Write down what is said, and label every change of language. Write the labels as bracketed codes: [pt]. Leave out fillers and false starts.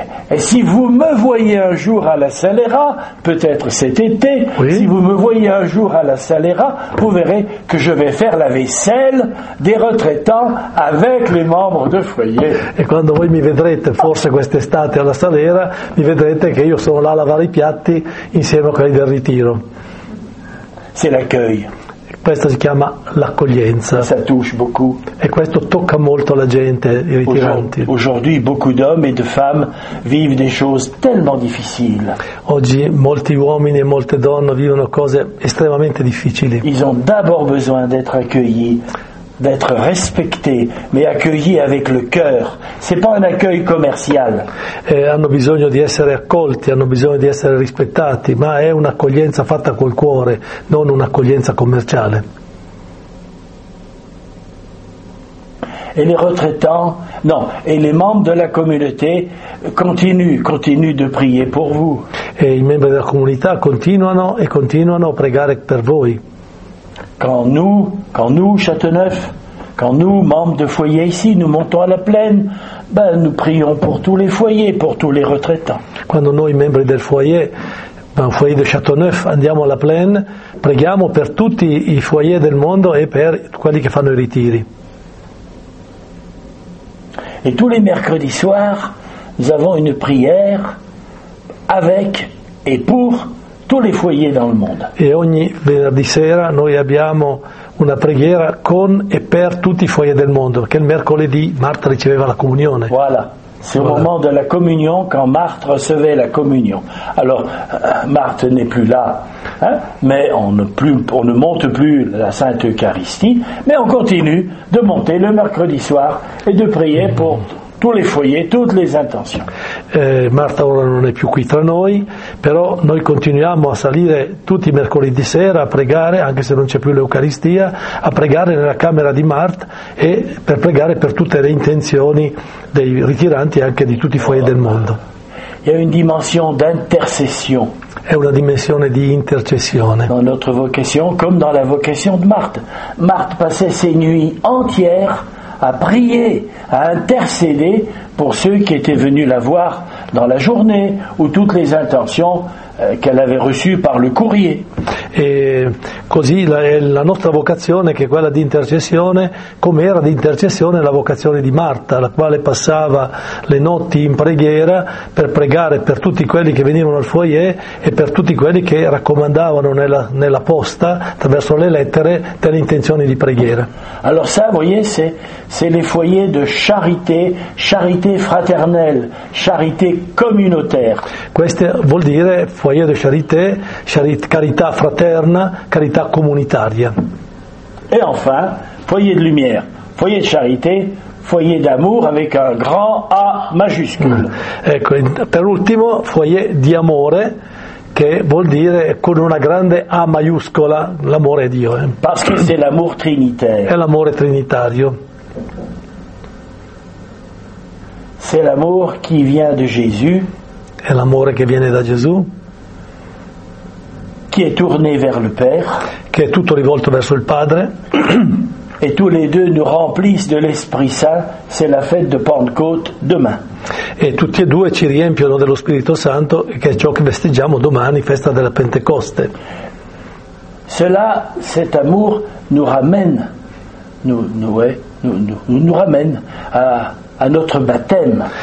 [fr] Et si vous me voyez un jour à la Serrera, peut-être cet été, oui. Si vous me voyez un jour à la Serrera, vous verrez que je vais faire la vaisselle des retraitants avec les membres de foyer. [it] E quando voi mi vedrete, forse quest'estate alla Serrera, mi vedrete che io sono là a lavare i piatti insieme a quelli del ritiro. [fr] C'est l'accueil. [it] Questo si chiama l'accoglienza. [fr] Ça touche beaucoup. [it] E questo tocca molto la gente, i ritiranti. [fr] Aujourd'hui, beaucoup d'hommes et de femmes vivent des choses tellement difficiles. [it] Oggi molti uomini e molte donne vivono cose estremamente difficili. [fr] Ils ont d'abord besoin d'être accueillis, d'être respectés, mais accueillis avec le cœur. C'est pas un accueil commercial. [it] Hanno bisogno di essere accolti, hanno bisogno di essere rispettati, ma è un'accoglienza fatta col cuore, non un'accoglienza commerciale. [fr] Et les retraitants, non, et les membres de la communauté continuent de prier pour vous. [it] E i membri della comunità continuano e continuano a pregare per voi. [fr] Quand nous, Châteauneuf, quand nous, membres de foyer ici, nous montons à la plaine, ben nous prions pour tous les foyers, pour tous les retraitants. [it] Quando noi membri del foyer un foyer de Châteauneuf, andiamo alla Plaine, preghiamo per tutti i foyer del mondo e per quelli che fanno i ritiri. [fr] Et tous les mercredis soirs, nous avons une prière avec et pour tous les foyers dans le monde. [it] E ogni venerdì sera noi abbiamo una preghiera con e per tutti i foyers del mondo, perché il mercoledì Marta riceveva la comunione. [fr] Voilà. C'est au moment de la communion quand Marthe recevait la communion. Alors, Marthe n'est plus là, hein, mais on ne monte plus la Sainte Eucharistie, mais on continue de monter le mercredi soir et de prier pour tous les foyers, toutes les intentions. [it] Marta ora non è più qui tra noi, però noi continuiamo a salire tutti i mercoledì sera a pregare, anche se non c'è più l'Eucaristia, a pregare nella camera di Marta e per pregare per tutte le intenzioni dei ritiranti e anche di tutti i foyer del mondo. [fr] Il y a une dimension d'intercession. [it] È una dimensione di intercessione. [fr] Dans notre vocation, comme dans la vocation de Marthe. Marthe passait ses nuits entières à prier, à intercéder pour ceux qui étaient venus la voir dans la journée ou toutes les intentions qu'elle avait reçues par le courrier. [it] Et così la nostra vocazione, che è quella di intercessione, com'era di intercessione la vocazione di Marta, la quale passava le notti in preghiera per pregare per tutti quelli che venivano al foyer e per tutti quelli che raccomandavano nella posta, attraverso le lettere, delle intenzioni di preghiera. [fr] Alors ça, voyez, c'est les foyers de charité, charité fraternelle, charité communautaire. [it] Questo vuol dire foyer de charité, carità fraterna, carità comunitaria. [fr] Et enfin, foyer de lumière, foyer de charité, foyer d'amour avec un grand A majuscule. [it] Ecco, per ultimo, foyer di amore, che vuol dire con una grande A maiuscola, l'amore a Dio. [fr] Parce que c'est l'amour trinitaire. [it] È l'amore trinitario. [fr] C'est l'amour qui vient de Jésus. [it] È l'amore che viene da Gesù. [fr] Qui est tourné vers le Père. [it] Che è tutto rivolto verso il Padre. [fr] Et tous les deux nous remplissent de l'Esprit Saint. C'est la fête de Pentecôte demain. [it] E tutti e due ci riempiono dello Spirito Santo, che è ciò che festeggiamo domani, festa della Pentecoste. [fr] Cela, cet amour nous ramène, nous ramène à notre baptême.